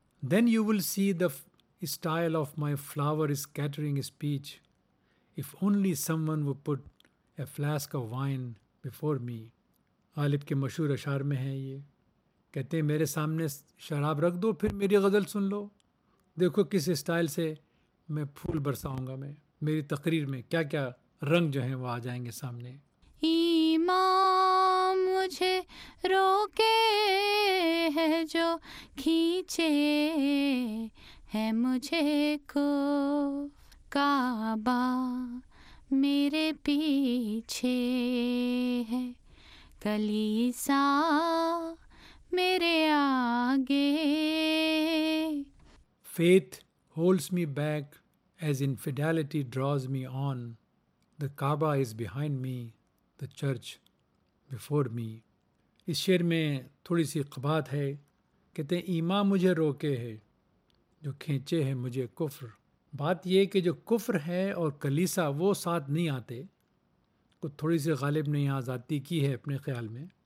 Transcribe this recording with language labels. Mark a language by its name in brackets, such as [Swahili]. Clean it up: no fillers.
[English] Then you will see the style of my flower is catering speech if only some one would put a flask of wine before me. [Urdu] غالب کے مشہور اشعار میں ہے یہ, کہتے ہیں میرے سامنے شراب رکھ دو پھر میری غزل سن لو, دیکھو کس اسٹائل سے میں پھول برساؤں گا, میں میری تقریر میں کیا کیا رنگ جو ہیں وہ آ جائیں گے سامنے. ایمان مجھے روکے ہے جو کھینچے ہے مجھے کو کعبہ میرے پیچھے ہے کلیسا میرے آگے. [English] Faith holds me back as infidelity draws me on, the Kaaba is behind me the church before me. [Urdu] اس شعر میں تھوڑی سی قباحت ہے, کہتے ہیں ایمان مجھے روکے ہے جو کھینچے ہیں مجھے کفر. بات یہ کہ جو کفر ہے اور کلیسا وہ ساتھ نہیں آتے, تو تھوڑی سی غالب نے یہاں آزادی کی ہے اپنے خیال میں.